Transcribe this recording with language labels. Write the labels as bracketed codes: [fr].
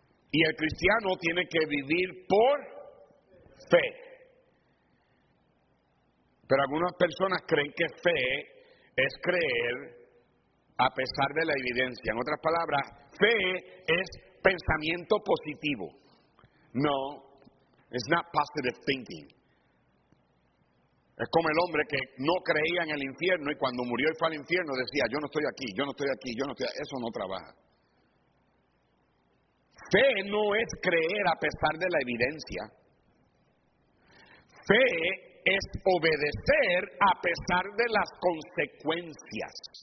[es] Y el cristiano tiene que vivir por fe. Pero algunas personas creen que fe es creer a pesar de la evidencia. En otras palabras, fe es pensamiento positivo. [en] No, it's not positive thinking. [es] Es como el hombre que no creía en el infierno y cuando murió y fue al infierno decía, yo no estoy aquí, yo no estoy aquí, yo no estoy aquí. Eso no trabaja. Fe no es creer a pesar de la evidencia. Fe es obedecer a pesar de las consecuencias.